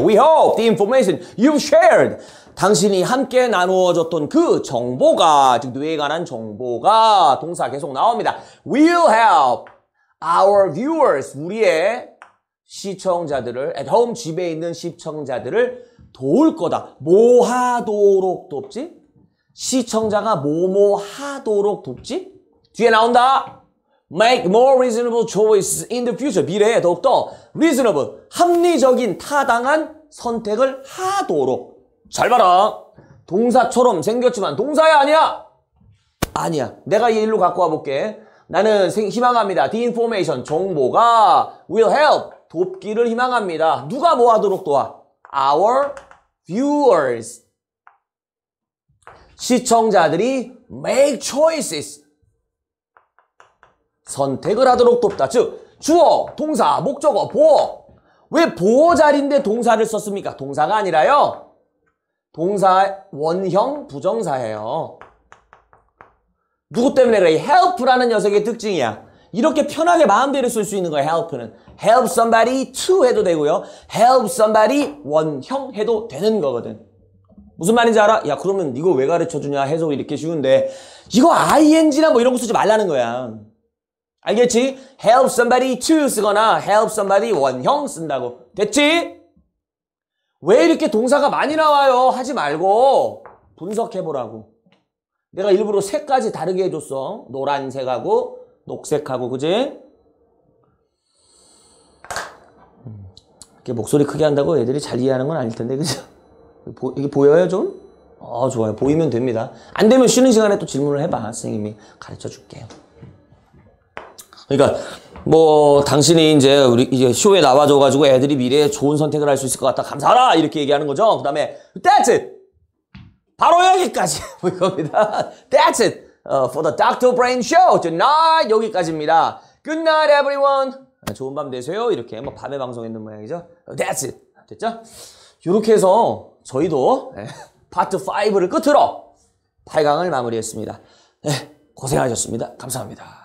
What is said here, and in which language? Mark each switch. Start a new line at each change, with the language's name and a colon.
English: We hope the information you shared
Korean: 당신이 함께 나누어줬던 그 정보가 즉 뇌에 관한 정보가 동사 계속 나옵니다.
English: Will help our viewers
Korean: 우리의 시청자들을
English: at home
Korean: 집에 있는 시청자들을 도울 거다. 뭐하도록 돕지? 시청자가 뭐뭐하도록 돕지? 뒤에 나온다.
English: Make more reasonable choices in the future.
Korean: 미래에 더욱더 reasonable 합리적인 타당한 선택을 하도록. 잘 봐라. 동사처럼 생겼지만 동사야 아니야? 아니야. 내가 얘 일로 갖고 와볼게. 나는 희망합니다.
English: The information 정보가 will help.
Korean: 돕기를 희망합니다. 누가 뭐 하도록 도와?
English: Our viewers. 시청자들이 make choices.
Korean: 선택을 하도록 돕다. 즉, 주어, 동사, 목적어, 보어. 왜 보어 자리인데 동사를 썼습니까? 동사가 아니라요. 동사 원형 부정사예요. 누구 때문에 그래? help라는 녀석의 특징이야. 이렇게 편하게 마음대로 쓸 수 있는 거야, help는.
English: Help somebody to
Korean: 해도 되고요. Help somebody 원형 해도 되는 거거든. 무슨 말인지 알아? 야 그러면 이거 왜 가르쳐주냐 해서 이렇게 쉬운데 이거 ing나 뭐 이런 거 쓰지 말라는 거야. 알겠지?
English: Help somebody to
Korean: 쓰거나
English: help somebody
Korean: 원형 쓴다고. 됐지? 왜 이렇게 동사가 많이 나와요? 하지 말고 분석해보라고. 내가 일부러 색까지 다르게 해줬어. 노란색하고 녹색하고 그지? 이렇게 목소리 크게 한다고 애들이 잘 이해하는 건 아닐 텐데 그죠? 이게 보여요 좀? 아 좋아요. 보이면 됩니다. 안 되면 쉬는 시간에 또 질문을 해봐. 선생님이 가르쳐 줄게요. 그러니까 뭐 당신이 이제 우리 이제 쇼에 나와줘가지고 애들이 미래에 좋은 선택을 할 수 있을 것 같다. 감사하라 이렇게 얘기하는 거죠. 그 다음에
English: That's it.
Korean: 바로 여기까지 이겁니다.
English: That's it. For the Dr. Brain Show tonight
Korean: 여기까지입니다.
English: Good night everyone.
Korean: 좋은 밤 되세요. 이렇게 뭐 밤에 방송했는 모양이죠.
English: That's it.
Korean: 됐죠? 이렇게 해서 저희도 파트 5를 끝으로 8강을 마무리했습니다. 네, 고생하셨습니다. 감사합니다.